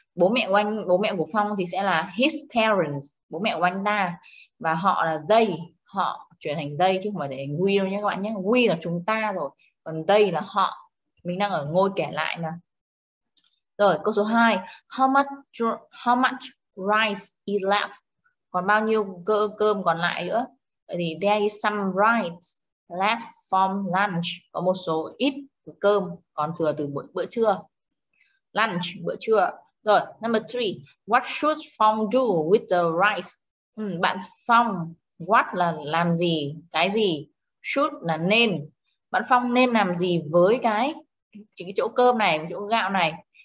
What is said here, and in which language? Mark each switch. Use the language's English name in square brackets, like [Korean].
[Vietnamese] Bố mẹ của Phong thì sẽ là his parents, bố mẹ của anh ta, và họ là they, họ chuyển thành they chứ không phải để we đâu nhé các bạn nhé. We là chúng ta rồi, còn they là họ. Mình đang ở ngôi kể lại mà. Rồi, câu số 2. [English] How much rice is left? [Vietnamese] Còn bao nhiêu cơm còn lại nữa? [English] Thì there is some rice left from lunch. [Vietnamese] Có một số ít cơm còn thừa từ bữa trưa. Lunch, bữa trưa. Rồi, number 3. [English] What should Phong do with the rice? [Vietnamese] Bạn Phong, what là làm gì? Cái gì? Should là nên. Bạn Phong nên làm gì với cái chỗ cơm này, chỗ gạo này?